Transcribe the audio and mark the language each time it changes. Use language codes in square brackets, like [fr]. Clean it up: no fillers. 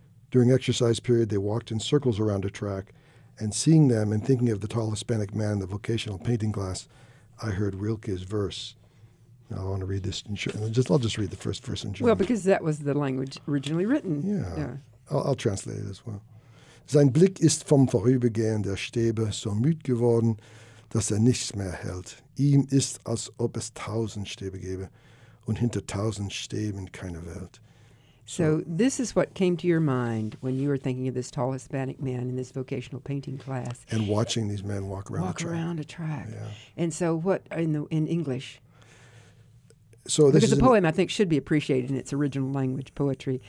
[en] During exercise period, they walked in circles around a track, and seeing them and thinking of the tall Hispanic man in the vocational painting class, I heard Rilke's verse. Now I want to read this in German. I'll just read the first verse in German. Well, because that was the language originally written. Yeah. I'll translate it as well. [de] Sein Blick ist vom Vorübergehen der Stäbe so müd geworden, dass nichts mehr hält. Ihm ist, als ob es tausend Stäbe gäbe und hinter tausend Stäben keine Welt. [en] So this is what came to your mind when you were thinking of this tall Hispanic man in this vocational painting class. And watching these men walk around walk the track. Walk around a track. Yeah. And so what in English? So this because is the poem, I think, should be appreciated in its original language, poetry.